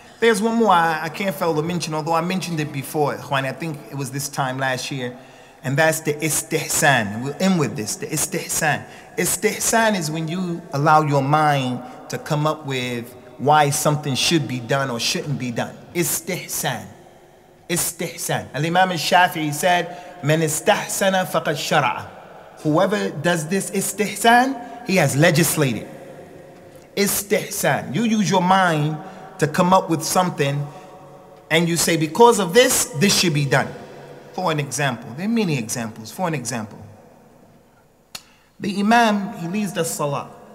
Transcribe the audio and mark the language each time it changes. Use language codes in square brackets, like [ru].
[en] There's one more I can't fail to mention, although I mentioned it before, Ikhwani, I think it was this time last year. And that's the istihsan. We'll end with this, the istihsan. Istihsan is when you allow your mind to come up with why something should be done or shouldn't be done. Istihsan. Istihsan. [ar] Al-Imam al-Shafi'i said, من استحسن فقد شرع. [en] Whoever does this istihsan, he has legislated. Istihsan. You use your mind to come up with something and you say, because of this, this should be done. For an example, there are many examples. For an example, the Imam, he leads the Salah.